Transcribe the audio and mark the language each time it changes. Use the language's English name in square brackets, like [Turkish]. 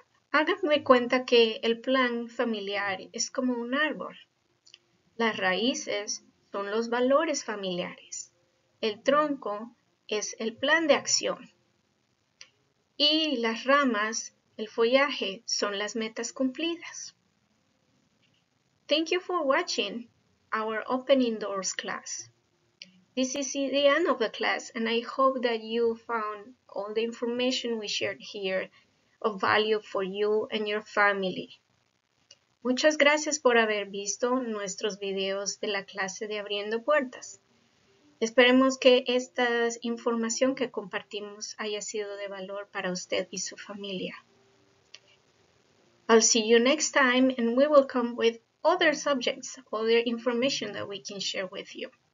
[Spanish] Hágame cuenta que el plan familiar es como un árbol. Las raíces son los valores familiares. El tronco es el plan de acción. Y las ramas, el follaje, son las metas cumplidas. [English] Thank you for watching our Opening Doors class. This is the end of the class, and I hope that you found all the information we shared here of value for you and your family. [Spanish] Muchas gracias por haber visto nuestros videos de la clase de Abriendo Puertas. Esperemos que esta información que compartimos haya sido de valor para usted y su familia. [English] I'll see you next time and we will come with other subjects, other information that we can share with you.